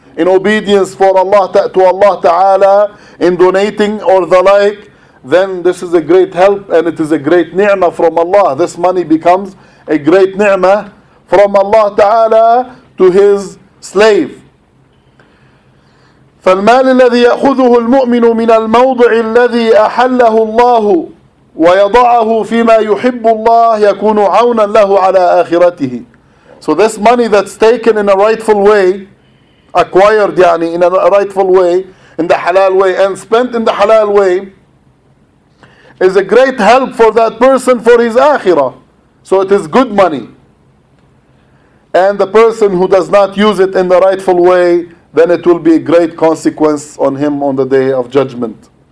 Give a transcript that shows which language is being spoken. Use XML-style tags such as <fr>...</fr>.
<en>in obedience for Allah to Allah Ta'ala in donating or the like, then this is a great help and it is a great ni'mah from Allah. This money becomes a great ni'mah from Allah Ta'ala to his slave.</en> <ar>فالمال الذي يأخذه المؤمن من الموضع الذي أحله الله ويضعه فيما يحب الله يكون عونا له على آخرته.</ar> <en>So this money that's taken in a rightful way, acquired يعني in a rightful way, in the halal way, and spent in the halal way, is a great help for that person for his akhirah. So it is good money. And the person who does not use it in the rightful way, then it will be a great consequence on him on the Day of Judgment.</en>